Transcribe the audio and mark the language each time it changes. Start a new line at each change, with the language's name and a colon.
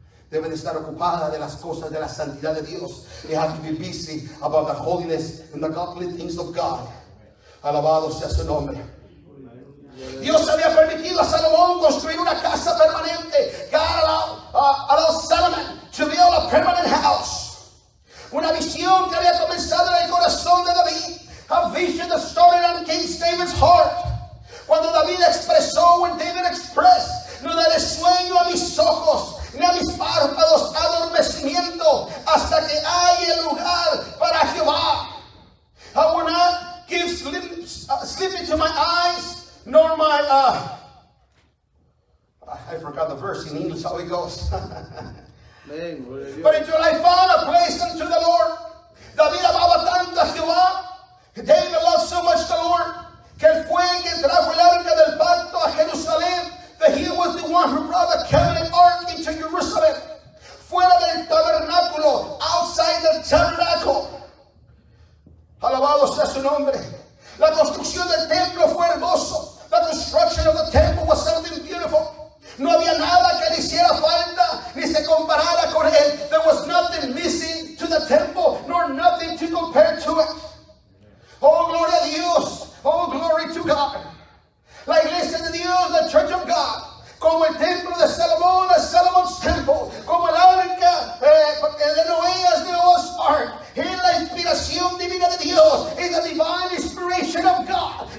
Spanish: Debe de estar ocupada de las cosas de la santidad de Dios.
English: You have to be busy about the holiness and the godly things of God.
Spanish: Alabado sea su nombre. Dios había permitido a Salomón construir una casa permanente.
English: God allowed Solomon to build a permanent house.
Spanish: Una visión que había comenzado en el corazón de David.
English: A vision that started on King David's heart.
Spanish: Cuando David expresó,
English: when David expressed,
Spanish: no daré sueño a mis ojos, ni a mis párpados adormecimiento, hasta que haya lugar para Jehová.
English: I will not give sleep into my eyes, nor my, I forgot the verse in English, how it goes. But until I found a place unto the Lord,
Spanish: David amaba tanto a Jehová,
English: David loved so much the Lord,
Spanish: que él fue el que trajo el arca del pacto a Jerusalén,
English: that he was the one who brought the covenant ark into Jerusalem,
Spanish: fuera del tabernáculo,
English: outside the tabernacle.
Spanish: Alabado sea su nombre. La construcción del templo fue hermoso.
English: The construction of the temple was something beautiful.
Spanish: No había nada que le hiciera falta ni se comparara con él.
English: There was nothing missing to the temple, nor nothing to compare to it.
Spanish: Oh, glory a Dios.
English: Oh, glory to God.
Spanish: La iglesia de Dios,
English: the church of God,
Spanish: como el templo de Salomón,
English: the Solomon's temple,
Spanish: como el arca de Noé,
English: as Noah's ark,
Spanish: es la inspiración divina de Dios, es la
English: divine inspiration of God.